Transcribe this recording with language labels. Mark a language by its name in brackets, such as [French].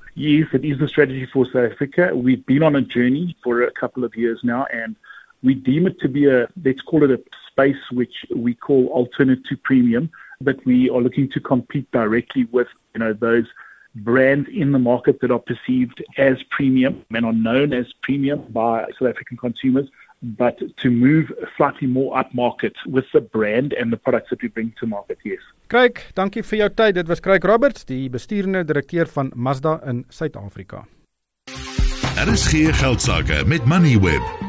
[English] Yes, it is the strategy for South Africa. We've been on a journey for a couple of years now, and we deem it to be a, let's call it a space which we call alternate to premium, but we are looking to compete directly with, you know, those brands in the market that are perceived as premium and are known as premium by South African consumers, but to move slightly more upmarket with the brand and the products that we bring to market, yes. [Afrikaans] Craig, dankie vir jou tyd. Dit was Craig Roberts, die bestuurende direkteur van Mazda in Suid-Afrika. Daar is geen geldsaake met Moneyweb.